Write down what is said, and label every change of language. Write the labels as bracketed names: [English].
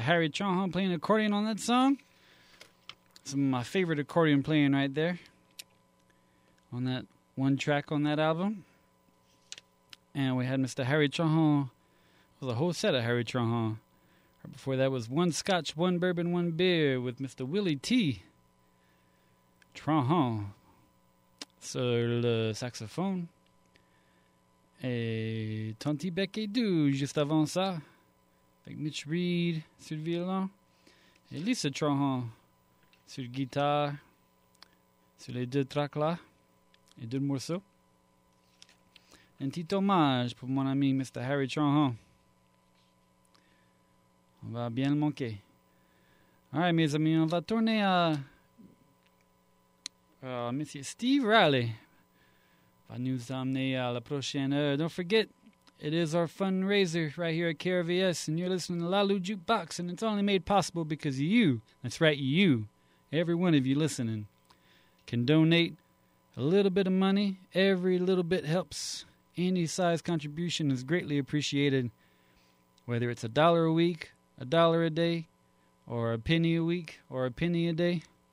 [English] Harry Chauhan playing accordion on that song. Some of my favorite accordion playing right there on that one track on that album. And we had Mr. Harry Chauhan. It was a whole set of Harry Chauhan. Right before that was One Scotch, One Bourbon, One Beer with Mr. Willie T. [French] Trahan, sur le saxophone, et Tonti Beck et Dou, juste avant ça, avec Mitch Reed sur le violon, et Lisa Trahan sur la guitare, sur les deux tracks là, et deux morceaux. Un petit hommage pour mon ami Mr. Harry Trahan. On va bien le manquer. [English] All right, [French] mes amis, on va tourner à... Monsieur Steve Riley va nous emmener à la prochaine heure. [English] Don't forget, it is our fundraiser right here at KRVS, and you're listening to Lalu Jukebox, and it's only made possible because you, that's right, you, every one of you listening, can donate a little bit of money. Every little bit helps. Any size contribution is greatly appreciated, whether it's a dollar a week, a dollar a day, or a penny a week, or a penny a day.